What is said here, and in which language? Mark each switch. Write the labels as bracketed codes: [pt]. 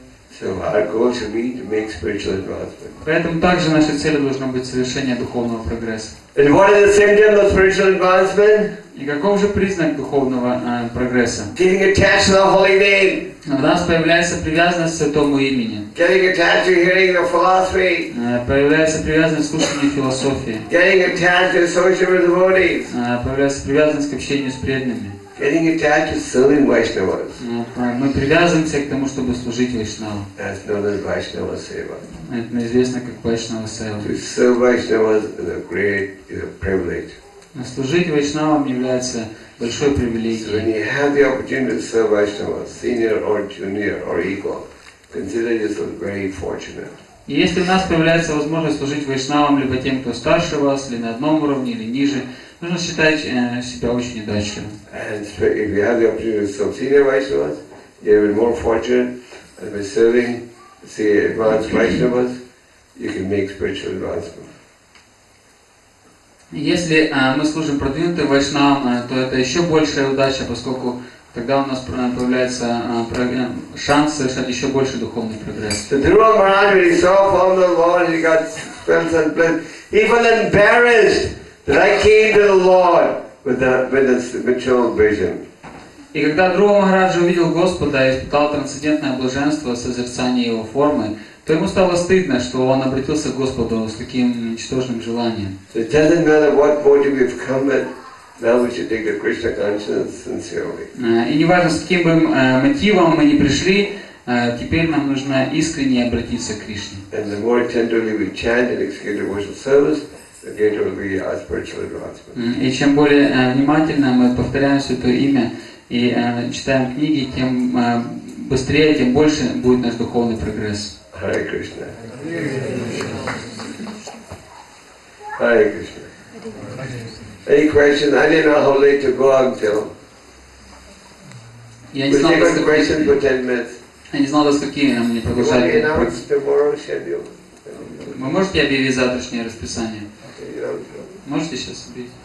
[en] So our goal should be to make spiritual advancement. [ru] Поэтому также нашей целью должно быть совершение духовного прогресса. [en] And what is the symptom of spiritual advancement? [ru] И каков же признак духовного прогресса? [en] Getting attached to the holy name. [ru] У нас появляется привязанность к святому имени. [en] Getting attached to hearing the philosophy. [ru] Появляется привязанность к слушанию философии. [en] Getting attached to associating with devotees. [ru] Появляется привязанность к общению с преданными. [en] Getting attached to serving Vaishnavas. [ru] Мы привязываемся к тому, чтобы служить Вайшнаву. [en] That's known as Vaishnava Seva. [ru] Это известно как Vaishnava Seva. [en] To serve Vaishnavas is a great, is a privilege. [ru] Служить Вайшнавам является большой привилегией. [en] So when you have the opportunity to serve Vaishnavas, senior or junior or equal, consider yourself very fortunate. [ru] И если у нас появляется возможность служить Вайшнавам, либо тем, кто старше вас, или на одном уровне, или ниже, нужно считать себя очень удачливым. [en] And if you have the opportunity to serve senior Vaishnavas, you're even more fortunate. And by serving, say, advanced Vaishnavas, you can make spiritual advancement. [ru] Если мы служим продвинутым Вайшнавам, то это еще большая удача, поскольку тогда у нас появляется шанс совершать еще больше духовный прогресс. [en] The Dhruva Maharaj, when he saw from the Lord, he got felt and blessed, even embarrassed that I came to the Lord with a spiritual vision. [ru] И когда Друва Махараджа увидел Господа и испытал трансцендентное блаженство созерцания Его формы, то ему стало стыдно, что он обратился к Господу с таким ничтожным желанием. [en] So it doesn't matter what motive you've come with, now we should take the Krishna consciousness sincerely. [ru] И не важно, с каким бы мотивом мы ни пришли, теперь нам нужно искренне обратиться к Кришне. [en] And the more tenderly we chant and execute devotional service, the greater will be our spiritual advancement. [ru] И чем более внимательно мы повторяем Святое Имя и читаем книги, тем быстрее, тем больше будет наш духовный прогресс. [en] Hare Krishna. Hare Krishna. Any question? I didn't know how late to go until. We'll take a question for 10 minutes. [ru] Я не знал, до скольки нам не продолжать. [en] You want to announce tomorrow's schedule? [ru] Вы можете объявить завтрашнее расписание? Можете сейчас объявить?